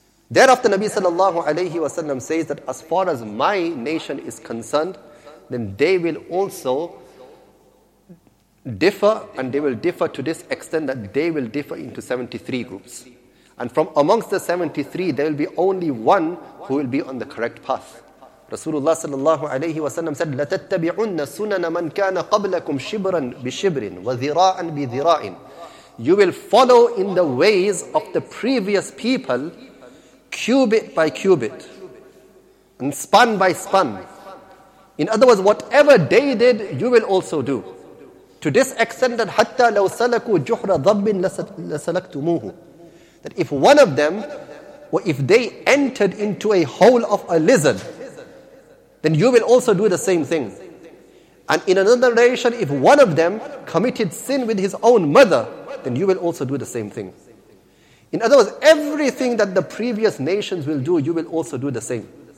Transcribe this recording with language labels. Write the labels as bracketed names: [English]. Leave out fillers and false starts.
[English] Thereafter, Nabi sallallahu alayhi wasalam says that as far as my nation is concerned, then they will also differ, and they will differ to this extent that they will differ into 73 groups. And from amongst the 73, there will be only one who will be on the correct path. Rasulullah sallallahu alayhi wa sallam said, [Arabic] لَتَتَّبِعُنَّ سُنَنَ مَنْ كَانَ قَبْلَكُمْ شِبْرًا بِشِبْرٍ وَذِرَاعًا بِذِرَاعٍ. [English] You will follow in the ways of the previous people, cubit by cubit, and span by span. In other words, whatever they did, you will also do. To this extent that, [Arabic] حَتَّى لَوْ سَلَكُوا جُحْرَ ضَبٍ لَسَلَكْتُمُوهُ. [English] That if one of them, or if they entered into a hole of a lizard, then you will also do the same thing. And in another narration, if one of them committed sin with his own mother, then you will also do the same thing. In other words, everything that the previous nations will do, you will also do the same.